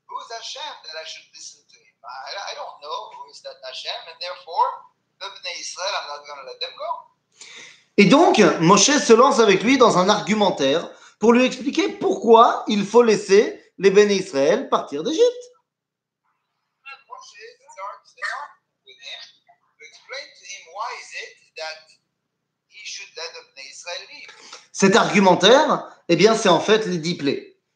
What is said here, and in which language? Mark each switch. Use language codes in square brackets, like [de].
[en] Hashem that I should listen to him. I don't know who is that Hashem, and therefore, the Bnei Israel, I'm not going to let them go. [fr] Et donc, Moshe se lance avec lui dans un argumentaire pour lui expliquer pourquoi il faut laisser les Bnei Israel partir d'Égypte. [en] Moshe starts the argument with him to explain to him why is it that he should let the Bnei Israel leave. [fr] Cet argumentaire, eh bien, c'est en fait les 10 plaies.